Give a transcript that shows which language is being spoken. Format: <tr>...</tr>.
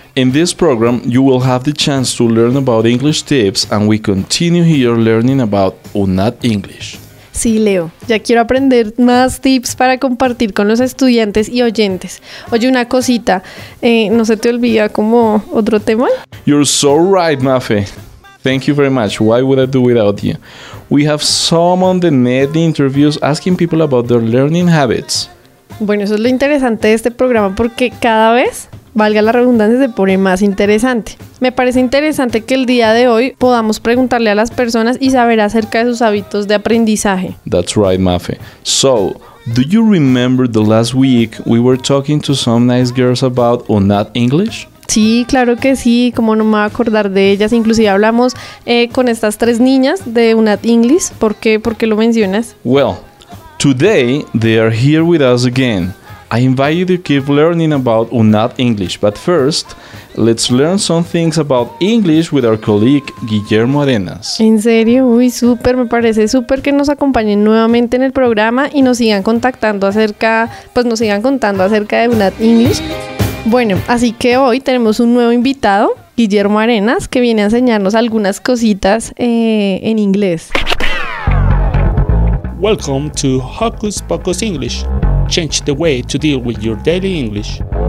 <en>In this program, you will have the chance to learn about English tips and we continue here learning about UNAD English.</en> <es>Sí, Leo. Ya quiero aprender más tips para compartir con los estudiantes y oyentes. Oye, una cosita. ¿No se te olvida como otro tema?</es> <en>You're so right, Mafe. Thank you very much. Why would I do without you? We have some on the net interviews asking people about their learning habits.</en> <es>Bueno, eso es lo interesante de este programa porque cada vez, valga la redundancia, se pone más interesante. Me parece interesante que el día de hoy podamos preguntarle a las personas y saber acerca de sus hábitos de aprendizaje.</es> <en>That's right, Mafe. So, do you remember the last week we were talking to some nice girls about UNAD English?</en> <es>Sí, claro que sí, como no me voy a acordar de ellas. Inclusive hablamos con estas tres niñas de UNAD English. ¿Por qué lo mencionas?</es> <en>Well, today they are here with us again. I invite you to keep learning about UNAD English, but first, let's learn some things about English with our colleague Guillermo Arenas.</en> <es>¿En serio? Uy, súper, me parece súper que nos acompañen nuevamente en el programa y nos sigan contando acerca de UNAD English. Bueno, así que hoy tenemos un nuevo invitado, Guillermo Arenas, que viene a enseñarnos algunas cositas en inglés.</es> <en>Welcome to Hocus Pocus English. Change the way to deal with your daily English.</en>